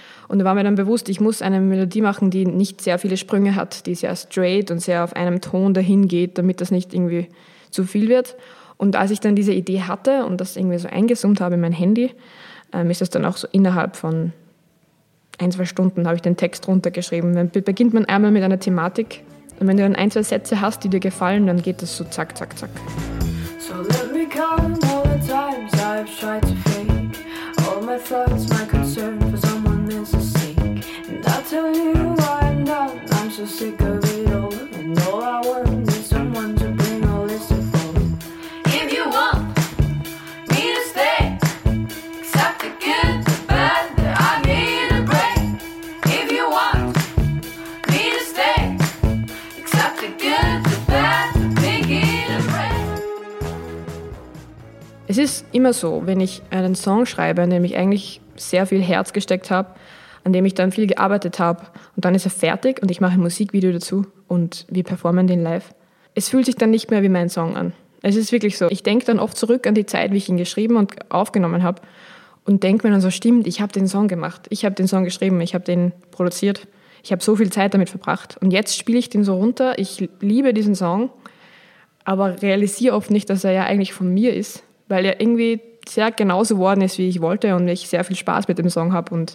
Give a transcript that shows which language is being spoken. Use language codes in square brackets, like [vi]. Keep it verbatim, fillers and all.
[de] Und da war mir dann bewusst, ich muss eine Melodie machen, die nicht sehr viele Sprünge hat, die sehr straight und sehr auf einem Ton dahin geht, damit das nicht irgendwie zu viel wird. Und als ich dann diese Idee hatte und das irgendwie so eingesummt habe in mein Handy, ähm, ist das dann auch so innerhalb von ein, zwei Stunden habe ich den Text runtergeschrieben. Dann beginnt man einmal mit einer Thematik und wenn du dann ein, zwei Sätze hast, die dir gefallen, dann geht das so zack, zack, zack. [en] So let me count all the times I've tried to fake all my thoughts, my concern for someone else's sake. And I tell you I'm done, I'm so sick of it all. And all I want is someone to bring all this to fall. If you want me to stay, accept the good, the bad, that I need a break. If you want me to stay, accept the good, the bad, make it a break. [de] Es ist immer so, wenn ich einen Song schreibe, an dem ich eigentlich sehr viel Herz gesteckt habe, an dem ich dann viel gearbeitet habe und dann ist er fertig und ich mache ein Musikvideo dazu und wir performen den live. Es fühlt sich dann nicht mehr wie mein Song an. Es ist wirklich so. Ich denke dann oft zurück an die Zeit, wie ich ihn geschrieben und aufgenommen habe und denke mir dann so, stimmt, ich habe den Song gemacht, ich habe den Song geschrieben, ich habe den produziert, ich habe so viel Zeit damit verbracht und jetzt spiele ich den so runter, ich liebe diesen Song, aber realisiere oft nicht, dass er ja eigentlich von mir ist, weil er irgendwie sehr genauso geworden ist, wie ich wollte und ich sehr viel Spaß mit dem Song habe.